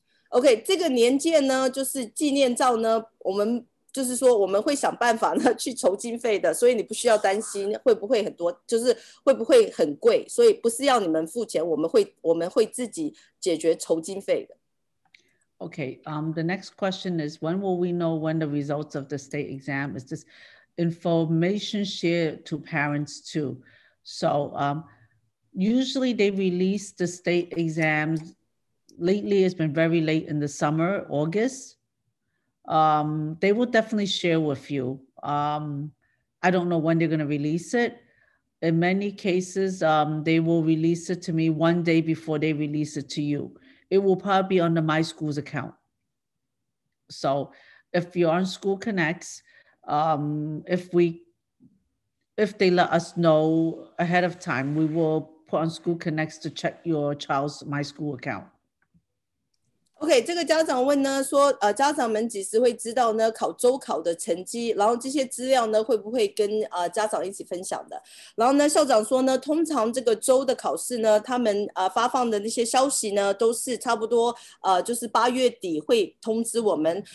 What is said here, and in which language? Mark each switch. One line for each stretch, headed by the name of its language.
Chinese: OK， 这个年鉴呢，就是纪念照呢，我们就是说我们会想办法呢去筹经费的，所以你不需要担心会不会很多，就是会不会很贵，所以不是要你们付钱，我们会自己解决筹经费的。
English: Okay, the next question is, when will we know when the results of the state exam? Is this information shared to parents too? So usually they release the state exams. Lately, it's been very late in the summer, August. They will definitely share with you. I don't know when they're going to release it. In many cases, they will release it to me one day before they release it to you. It will probably be under my school's account. So if you're on School Connects, if they let us know ahead of time, we will put on School Connects to check your child's my school account.
Chinese: OK, 这个家长问呢说家长们几时会知道呢考周考的成绩，然后这些资料呢会不会跟家长一起分享的。然后呢校长说呢，通常这个周的考试呢，他们发放的那些消息呢都是差不多就是八月底会通知我们。